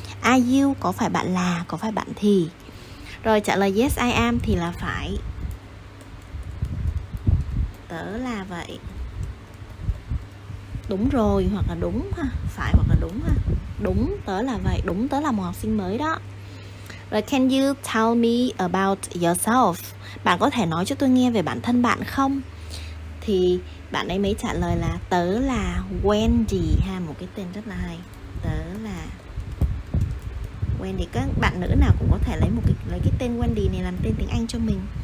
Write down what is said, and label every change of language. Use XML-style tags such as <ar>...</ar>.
<en>Are you</en> <vi>có phải bạn là, có phải bạn thì. Rồi trả lời</vi> <en>yes I am</en> <vi>thì là phải. Tớ là vậy. đúng rồi, hoặc là đúng ha, phải hoặc là đúng ha. Đúng, tớ là vậy, đúng, tớ là một học sinh mới đó.</vi> <en>Rồi, can you tell me about yourself?</en> <vi>Bạn có thể nói cho tôi nghe về bản thân bạn không? Thì bạn ấy mới trả lời là tớ là Wendy ha, một cái tên rất là hay. Tớ là Wendy. Các bạn nữ nào cũng có thể lấy cái tên Wendy này làm tên tiếng Anh cho mình.</vi>